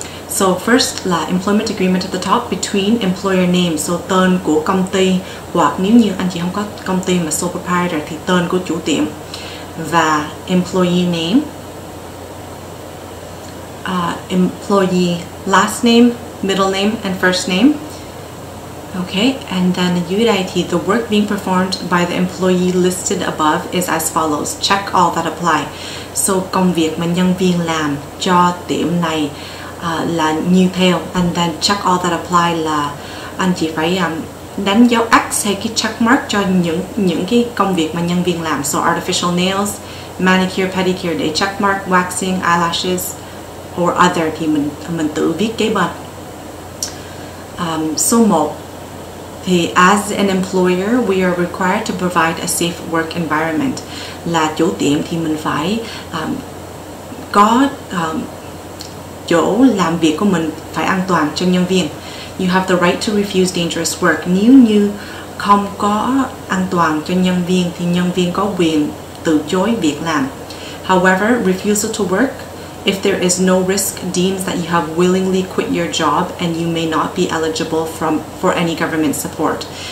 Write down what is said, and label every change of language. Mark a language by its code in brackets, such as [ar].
[vi] So first là [en] employment agreement at the top between employer name, [vi] so tên của công ty, hoặc nếu như anh chị không có công ty mà sole proprietor thì tên của chủ tiệm, và [en] employee name, employee last name, middle name and first name. Okay, and then [vi] dưới đây thì [en] the work being performed by the employee listed above is as follows. Check all that apply. [vi] So công việc mà nhân viên làm cho tiệm này là như theo, [en] and then check all that apply [vi] là anh chị phải đánh dấu X hay cái check mark cho những cái công việc mà nhân viên làm, so artificial nails, manicure, pedicure để check mark, waxing, eyelashes or other thì mình tự viết kế bên. Số 1 thì [en] as an employer we are required to provide a safe work environment, [vi] là chủ tiệm thì mình phải có chỗ làm việc của mình phải an toàn cho nhân viên. [en] You have the right to refuse dangerous work. [vi] Nếu như không có an toàn cho nhân viên thì nhân viên có quyền từ chối việc làm. [en] However, refusal to work if there is no risk deems that you have willingly quit your job and you may not be eligible for any government support.